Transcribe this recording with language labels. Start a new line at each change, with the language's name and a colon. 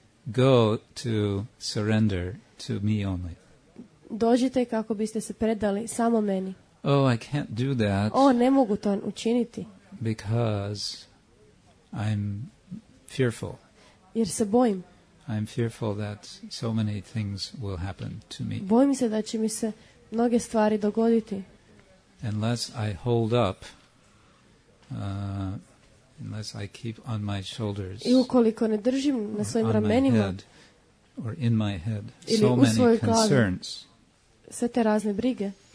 English: Go to surrender to me only.
Croatian: Dođite kako biste se predali samo meni.
English: Oh, I can't do that.
Croatian: Oh, ne mogu to učiniti.
English: Because I'm fearful.
Croatian: Jer se bojim.
English: I'm fearful that so many things will happen to me.
Croatian: Bojim se da će mi se mnoge stvari dogoditi.
English: Unless I hold up, unless I keep on my shoulders.
Croatian: I ukoliko ne držim na svojim ramenima.
English: Head, or in my head. So many concerns.
Croatian: Sve te razne brige.